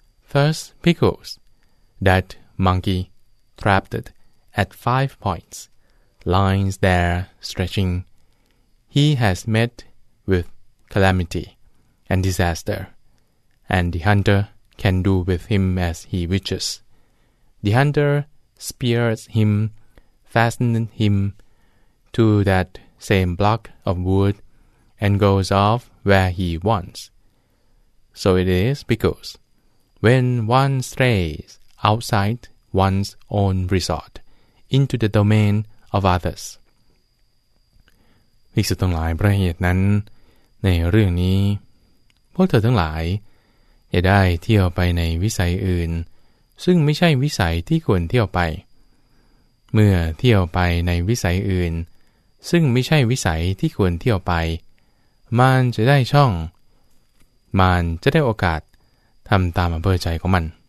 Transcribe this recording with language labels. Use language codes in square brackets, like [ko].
[en] First because that monkey trapped at 5 points lies there stretching he has met with calamity and disaster and the hunter can do with him as he wishes the hunter spears him fastens himTo that same block of wood, and goes off where he wants. So it is because, when one strays outside one's own resort, into the domain of others. [th] ภิกษุทั้งหลายประเหตุนั้นในเรื่องนี้พวกเธอทั้งหลายอย่าได้เที่ยวไปในวิสัยอื่นซึ่งไม่ใช่วิสัยที่ควรเที่ยวไปเมื่อเที่ยวไปในวิสัยอื่นซึ่งไม่ใช่วิสัยที่ควรเที่ยวไปมันจะได้ช่องมันจะได้โอกาสทำตามอำเภอใจของมัน